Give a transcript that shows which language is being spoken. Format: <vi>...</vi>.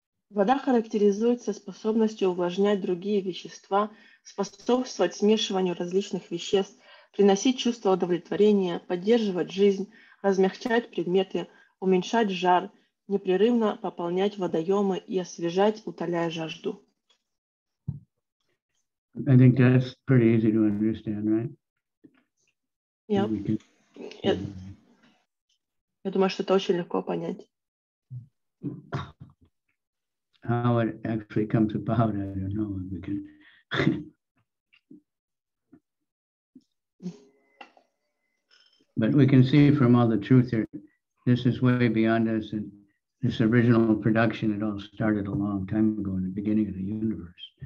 <ru>Вода характеризуется способностью увлажнять другие вещества, способствовать смешиванию различных веществ, приносить чувство удовлетворения, поддерживать жизнь, размягчать предметы, уменьшать жар, непрерывно пополнять водоемы и освежать, утоляя жажду.</ru> <en>I think that's pretty easy to understand, right?</en> <ru>Я думаю, что это очень легко понять.</ru> <en>How it actually comes about, I don't know. We can... But we can see from all the truth here, this is way beyond us, and this original production, it all started a long time ago in the beginning of the universe.</en>